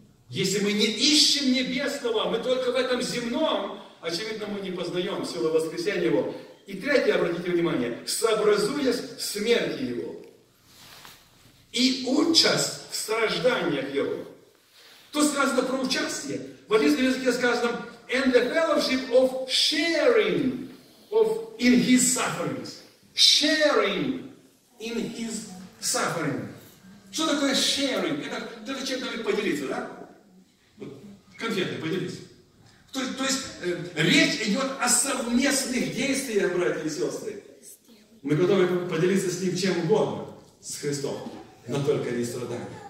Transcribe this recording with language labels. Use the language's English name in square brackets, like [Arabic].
[Russian] Если мы не ищем небесного, мы только в этом земном, очевидно, мы не познаем силу воскресения Его. И третье, обратите внимание, сообразуясь смерти Его и участь в страданиях Его. То сказано про участие. В английском языке сказано [English] and the fellowship of sharing of in his sufferings. sharing in his suffering. [Russian] Что такое sharing? Это зачем то поделиться, да? Конфеты поделись. То есть, речь идет о совместных действиях, братья и сестры. Мы готовы поделиться с ним чем угодно, с Христом, но только не страдания.